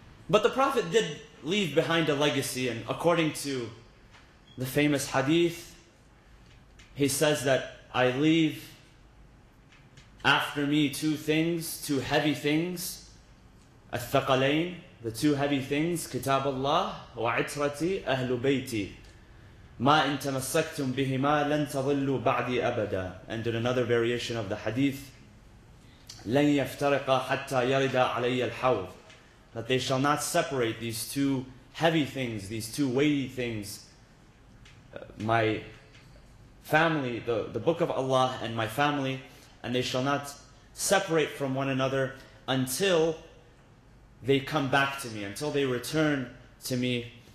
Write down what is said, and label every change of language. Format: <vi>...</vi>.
<en>But the Prophet did leave behind a legacy, and according to the famous hadith, he says that I leave after me two things, two heavy things, الثقلين, the two heavy things,</en> <ar>كتاب الله وعترتي أهل بيتي. ما إن تمسكتم بهما لن تظلوا بعدي أبدا.</ar> <en>And in another variation of the hadith,</en> <ar>لن يفترق حتى يرد علي الحوض.</ar> <en>That they shall not separate these two heavy things, these two weighty things, my family, the book of Allah and my family, and they shall not separate from one another until they come back to me, until they return to me.</en>